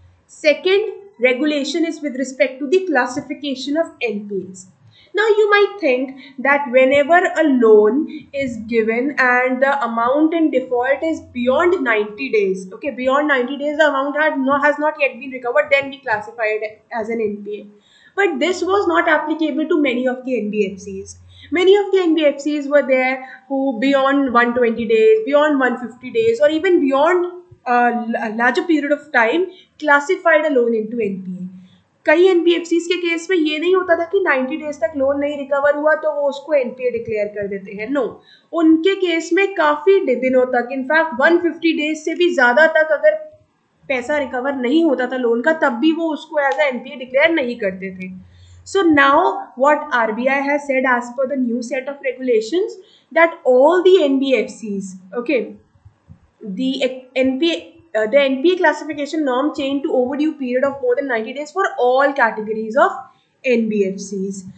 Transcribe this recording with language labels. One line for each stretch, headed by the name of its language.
English: Second regulation is with respect to the classification of NPAs. Now you might think that whenever a loan is given and the amount in default is beyond 90 days, okay, beyond 90 days the amount has not yet been recovered, then be classified as an NPA. But this was not applicable to many of the NBFCs. Many of the NBFCs were there who beyond 120 days, beyond 150 days, or even beyond a larger period of time classified a loan into NPA.
Hindi: कई NBFCs के case में ये नहीं होता था कि 90 days तक loan नहीं रिकवर हुआ तो वो उसको NPA declare कर देते हैं. No, उनके केस में काफी दिनों तक, इनफैक्ट 150 days से भी ज्यादा तक अगर पैसा रिकवर नहीं होता था लोन का, तब भी वो उसको एज अ NPA declare नहीं करते थे.
English: So now what RBI has said as per the new set of regulations, that all the NBFCs, okay, the NPA classification norm changed to overdue period of more than 90 days for all categories of NBFCs.